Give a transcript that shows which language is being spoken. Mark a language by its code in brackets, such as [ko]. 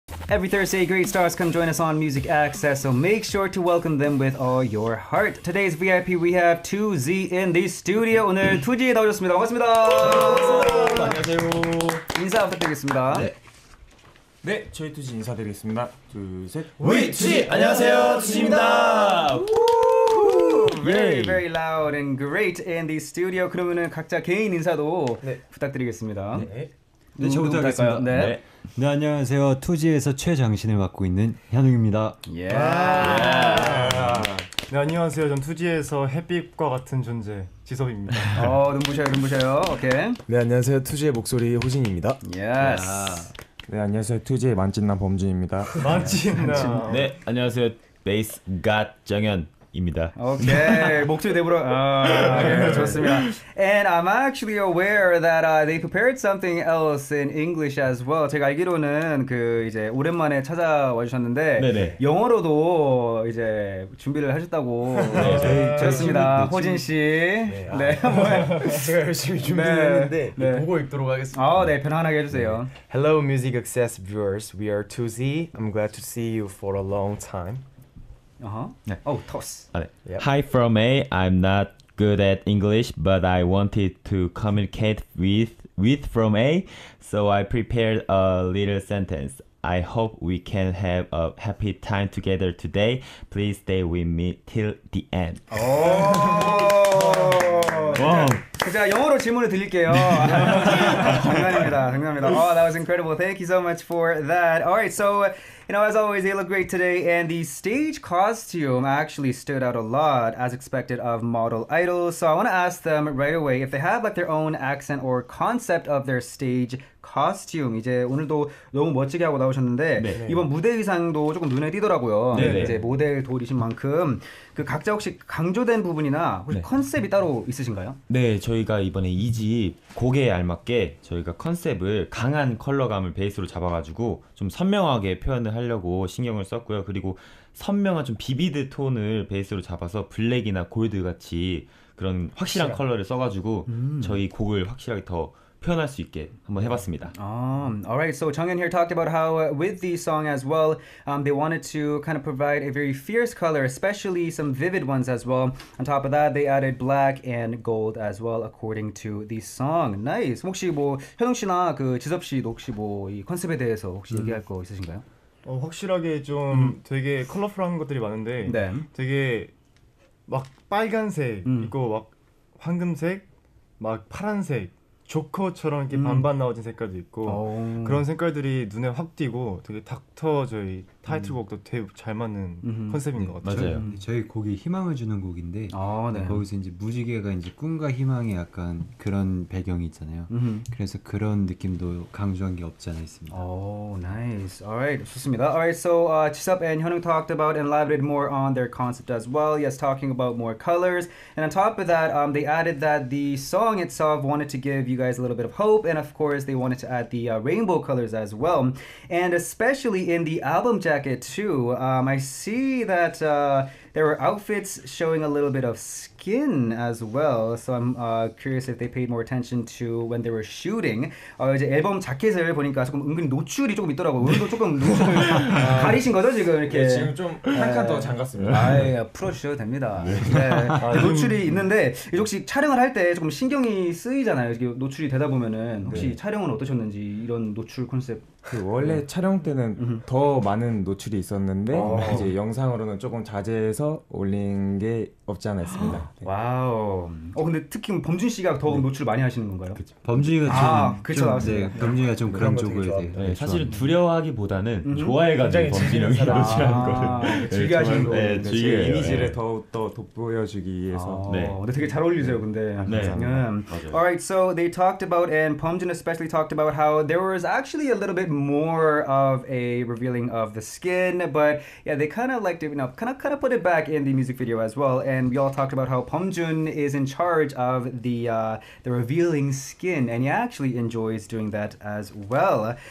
[en] Every Thursday, great stars come join us on Music Access, so make sure to welcome them with all your heart. Today's VIP, we have 2Z in the studio. [ko] 오늘 2Z에 나오셨습니다. 반갑습니다. 안녕하세요. 인사 부탁드리겠습니다. 네, 저희 2Z 인사드리겠습니다. 둘, 셋. 우리 2Z! 안녕하세요, 2Z입니다. [en] Very, very loud and great in the studio. [ko] 그러면은 각자 개인 인사도 부탁드리겠습니다. 네. 네, 저부터 하겠습니다. 네. 네, 안녕하세요. 2G에서 최장신을 맡고 있는 현웅입니다. 예. Yeah. Yeah. 네, 안녕하세요. 전 2G에서 햇빛과 같은 존재 지섭입니다. 어, 눈부셔요, 눈부셔요. 오케이. 네, 안녕하세요. 2G의 목소리 호진입니다. 예. Yes. Yeah. 네, 안녕하세요. 2G의 만찢남 범준입니다. 만찢남. 네, 안녕하세요. 베이스 갓 정현. 입니다. 오케이. 목소리 대부러 좋습니다. [en] And I'm actually aware that they prepared something else in English as well. [ko] 제가 알기로는 그 이제 오랜만에 찾아와 주셨는데 네네. 영어로도 이제 준비를 하셨다고 들었습니다. 호진 씨. 네. 제가 열심히 준비했는데 네. 네. 보고 읽도록 하겠습니다. 아, 네. 편안하게 해 주세요. 네. [en] Hello Music Access viewers. We are 2Z. I'm glad to see you for a long time. Uh-huh. 네. Oh, toss. Yep. Hi from A. I'm not good at English, but I wanted to communicate with from A, so I prepared a little sentence. I hope we can have a happy time together today. Please stay with me till the end. Oh. Wow. [ko] 제가 영어로 질문을 드릴게요. 장난입니다. 장난입니다. [en] Oh, that was incredible. Thank you so much for that. All right, so, you know, as always, they look great today. And the stage costume actually stood out a lot, as expected of model idols. So I want to ask them right away if they have, like, their own accent or concept of their stage costume. [ko] 이제 오늘도 너무 멋지게 하고 나오셨는데 네. 이번 무대 의상도 조금 눈에 띄더라고요. 네네. 이제 모델 돌이신 만큼 그 각자 혹시 강조된 부분이나 혹시 네. 컨셉이 따로 있으신가요? 네. 저희가 이번에 2집 곡에 알맞게 저희가 컨셉을 강한 컬러감을 베이스로 잡아가지고 좀 선명하게 표현을 하려고 신경을 썼고요. 그리고 선명한 좀 비비드 톤을 베이스로 잡아서 블랙이나 골드 같이 그런 확실한 컬러를 써가지고 저희 곡을 확실하게 더 표현할 수 있게 한번 해봤습니다. [en] All right, so Jeongyeon here talked about how with the song as well, they wanted to kind of provide a very fierce color, especially some vivid ones as well. On top of that, they added black and gold as well, according to the song. Nice. [ko] 혹시 뭐 현웅 씨나 그 지섭 씨도 혹시 뭐 이 컨셉에 대해서 혹시 얘기할 거 있으신가요? 확실하게 좀 되게 컬러풀한 것들이 많은데, 네. 되게 막 빨간색 있고 막 황금색, 막 파란색. 조커처럼 이렇게 반반 나오진 색깔도 있고 그런 색깔들이 눈에 확 띄고 되게 닥터 저희 타이틀곡도 되게 잘 맞는 컨셉인 것 같아요. 맞아요. 저희 곡이 희망을 주는 곡인데 아, 네. 거기서 이제 무지개가 이제 꿈과 희망의 약간 그런 배경이 있잖아요. 그래서 그런 느낌도 강조한 게 없지 않아 있습니다. [en] Oh, nice. All right, [ko] 좋습니다. [en] All right, so Jisup and Hyunwoo talked about and elaborated more on their concept as well. Yes, talking about more colors. And on top of that, they added that the song itself wanted to give you guys a little bit of hope, and of course they wanted to add the rainbow colors as well, and especially in the album jacket too. I see that there were outfits showing a little bit of skin as well, so I'm curious if they paid more attention to when they were shooting. [ko] 이제 앨범 자켓을 보니까 조금 은근히 노출이 조금 있더라고요. 오늘도 조금 노출을 가리신 거죠 지금 이렇게? 네, 지금 좀 한 칸 더 잠갔습니다. 아예 풀어주셔도 됩니다. 네. 노출이 있는데 혹시 촬영을 할 때 조금 신경이 쓰이잖아요. 노출이 되다 보면은 혹시 네. 촬영은 어떠셨는지 이런 노출 컨셉 그 원래 촬영 때는 더 많은 노출이 있었는데 이제 영상으로는 조금 자제해서 올린 게 없지 않아 있습니다. 네. 와우. 근데 특히 범준 씨가 더 네. 노출 많이 하시는 건가요? 그쵸. 범준이가 좀 범준이가 좀 그런 쪽을 이제 네, 사실은 두려워하기보다는 좋아해가지고 범준 형이 노출하는 거를 즐겨하시는 거. 네, 즐겨. 네, 이미지를 네. 더욱 더 돋보여주기 위해서. 네. 근데 되게 잘 어울리세요, 근데. 네. 네. [en] Alright, so they talked about and 범준 especially talked about how there was actually a little bit more of a revealing of the skin, but yeah, they kind of liked it, you know, kind of put it back in the music video as well. And we all talked about how Pomjun is in charge of the revealing skin, and he actually enjoys doing that as well.